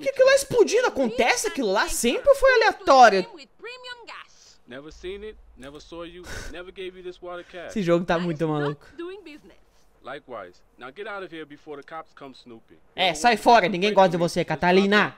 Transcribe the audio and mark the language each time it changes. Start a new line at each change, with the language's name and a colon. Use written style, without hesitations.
Portuguese: Que aquilo lá explodindo? Acontece aquilo lá sempre ou foi aleatório?
English: Never seen it, never saw you, never gave you this water cash.
Portuguese: Esse jogo tá muito maluco.
English: Likewise. Now get out of here before the cops come snooping.
Portuguese: É, sai fora, ninguém gosta de você, Catalina.